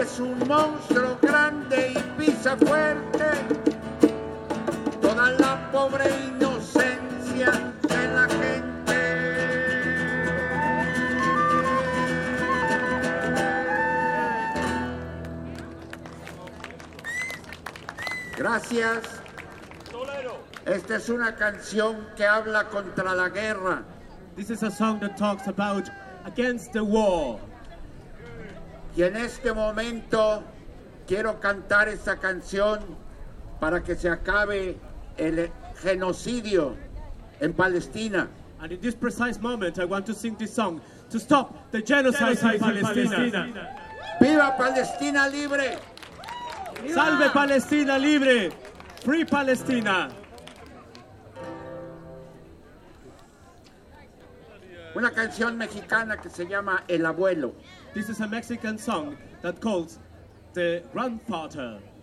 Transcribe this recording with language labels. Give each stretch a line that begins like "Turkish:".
Spanish: Es un monstruo grande y pisa fuerte toda la pobre inocencia de la gente. Gracias. Esta es una canción que habla contra la guerra.
English: This is a song that talks about against the war.
Spanish: Y en este momento quiero cantar esta canción para que se acabe el genocidio en Palestina.
English: And in this precise moment I want to sing this song to stop the genocide in Palestina.
Spanish: ¡Viva Palestina libre! ¡Viva! ¡Salve Palestina libre!
English: ¡Free Palestina!
Spanish: Una canción mexicana que se llama El Abuelo.
English: This is a Mexican song that calls The Grandfather.